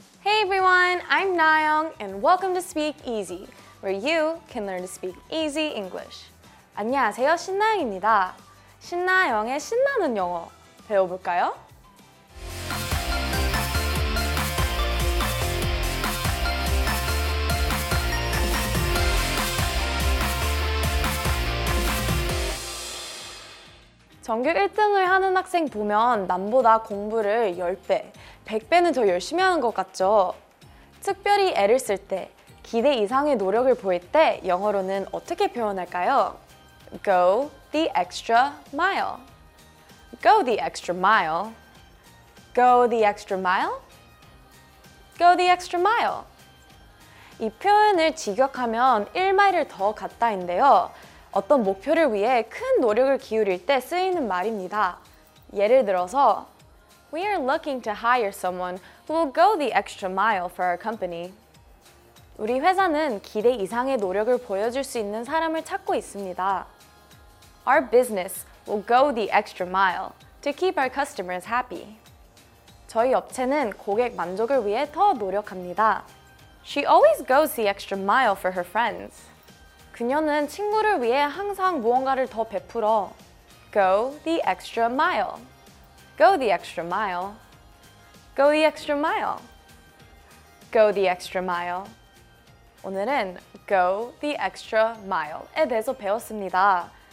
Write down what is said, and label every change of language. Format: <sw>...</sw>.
<en>Hey everyone, I'm Nayeong and welcome to Speak Easy, where you can learn to speak easy English.</en> <ko>안녕하세요, 신나영입니다. 신나영의 신나는 영어 배워볼까요? 전교 1등을 하는 학생 보면 남보다 공부를 10배, 100배는 더 열심히 하는 것 같죠? 특별히 애를 쓸 때, 기대 이상의 노력을 보일 때 영어로는 어떻게 표현할까요?</ko> <en>Go the extra mile. Go the extra mile. Go the extra mile. Go the extra mile.</en> <ko>이 표현을 직역하면 1마일을 더 갔다인데요. 어떤 목표를 위해 큰 노력을 기울일 때 쓰이는 말입니다. 예를 들어서</ko> <en>We are looking to hire someone who will go the extra mile for our company.</en> <ko>우리 회사는 기대 이상의 노력을 보여줄 수 있는 사람을 찾고 있습니다.</ko> <en>Our business will go the extra mile to keep our customers happy.</en> <ko>저희 업체는 고객 만족을 위해 더 노력합니다.</ko> <en>She always goes the extra mile for her friends.</en> <ko>그녀는 친구를 위해 항상 무언가를 더 베풀어.</ko> <en>Go the extra mile. Go the extra mile. Go the extra mile. Go the extra mile.</en> <ko>오늘은</ko> <en>Go the extra mile</en> <ko>에 대해서 배웠습니다.</ko>